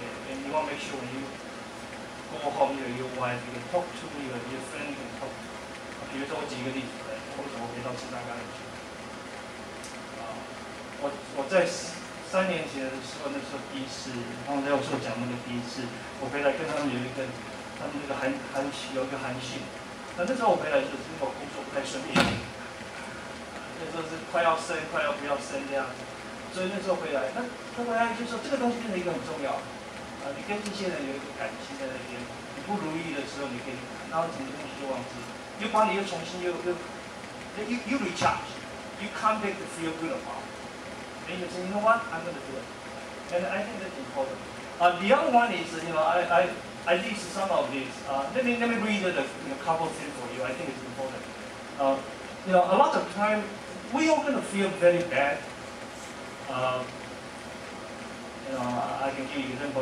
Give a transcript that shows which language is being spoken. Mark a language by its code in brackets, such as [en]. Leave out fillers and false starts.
[en] And you wanna make sure when you go home to your wife, you can talk to your friend, you can talk to you. [zh] 比如说我举一个例子，为什么我回到芝加哥去？我在三年前的时候，那时候第一次，刚才我说讲那个第一次，我回来跟他们有一个，他们那个韩系有一个韩系，那时候我回来就是因为我工作不太顺利，那时候是快要生，快要不要生这样子，所以那时候回来，那回来就说这个东西变成一个很重要，你跟这些人有一个感情在那边，你不如意的时候你可以，然后整个东西就忘记，又把你又重新又 [en] recharge, you come back to feel good about. And you say, you know what, I'm going to do it. And I think that's important. The other one is, you know, I list some of these. Let me read the couple things for you. I think it's important. You know, a lot of time, we all going to feel very bad. I can give you an example.